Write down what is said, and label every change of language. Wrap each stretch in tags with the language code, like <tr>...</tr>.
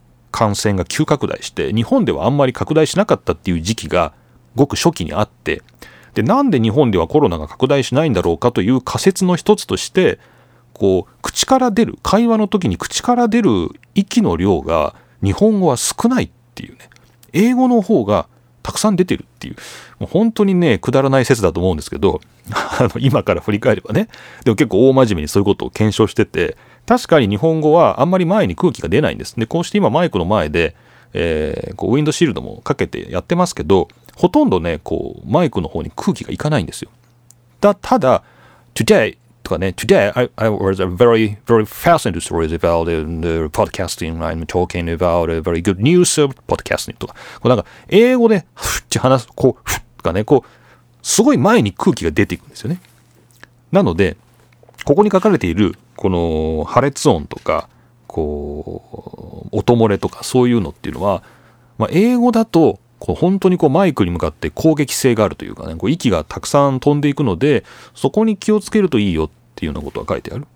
<ja>感染が急拡大して、日本ではあんまり拡大しなかったっていう時期がごく初期にあって、で、なんで日本ではコロナが拡大しないんだろうかという仮説の一つとして、こう口から出る、会話の時に口から出る息の量が日本語は少ないっていうね、英語の方がたくさん出てるっていう、もう本当にね、くだらない説だと思うんですけど今から振り返ればね。でも結構大真面目にそういうことを検証してて、確かに日本語はあんまり前に空気が出ないんです。で、こうして今マイクの前で、こうウィンドシールドもかけてやってますけど、ほとんどね、こうマイクの方に空気がいかないんですよ。ただ</ja> <en>Today</en> <ja>とかね、</ja> <en>Today I was a very very fascinating story about the podcasting. I'm talking about a very good news of podcasting</en> <ja>とか、こうなんか英語でふって話す、こうふっかね、こうすごい前に空気が出ていくんですよね。なので、ここに書かれているこの破裂音とか、こう音漏れとか、そういうのっていうのは、まあ、英語だとこう本当にこうマイクに向かって攻撃性があるというかね、こう息がたくさん飛んでいくので、そこに気をつけるといいよっていうようなことが書いてある。</ja>